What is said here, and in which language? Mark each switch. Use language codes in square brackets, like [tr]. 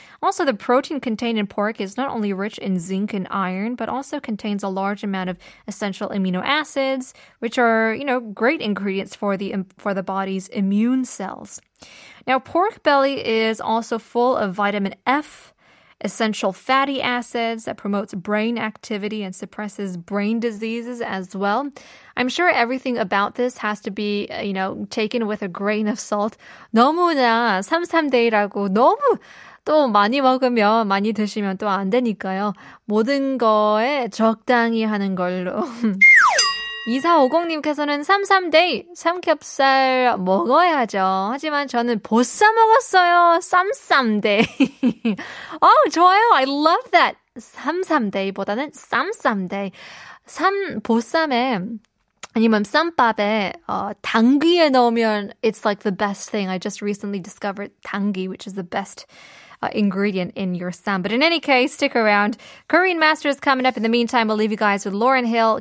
[en] Also, the protein contained in pork is not only rich in zinc and iron, but also contains a large amount of essential amino acids, which are, you know, great ingredients for the body's immune cells. Now, pork belly is also full of vitamin F, essential fatty acids that promotes brain activity and suppresses brain diseases as well. I'm sure everything about this has to be, you know, taken with a grain of salt. [ko] 너무나 삼삼데이라고 너무 또 많이 먹으면 많이 드시면 또 안 되니까요. 모든 거에 적당히 하는 걸로. 2450님께서는 삼삼데이 삼겹살 먹어야죠. 하지만 저는 보쌈 먹었어요. [en] 삼삼데이. Oh, [ko] 좋아요. [en] I love that. [ko] 삼삼데이보다는 삼삼데이. 보쌈에 아니면 쌈밥에 당귀에 넣으면 [en] it's like the best thing. I just recently discovered 당귀, which is the best ingredient in your sam. But in any case, stick around. Korean Master is coming up. In the meantime, we'll leave you guys with Lauryn Hill.